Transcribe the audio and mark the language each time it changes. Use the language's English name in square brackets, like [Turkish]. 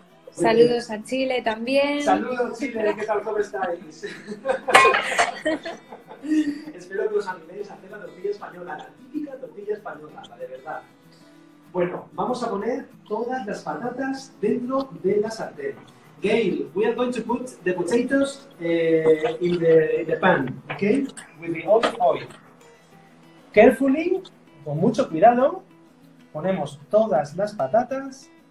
[Spanish] Saludos a Chile también. Saludos, Chile. ¿Qué tal? ¿Cómo estáis? Espero que os animéis a hacer la tortilla española, la típica tortilla española, la de verdad. Bueno, vamos a poner todas las patatas dentro de la sartén. [English] Gail, we are going to put the potatoes in the pan, okay? With the olive oil. Carefully, [Spanish] con mucho cuidado, ponemos todas las patatas.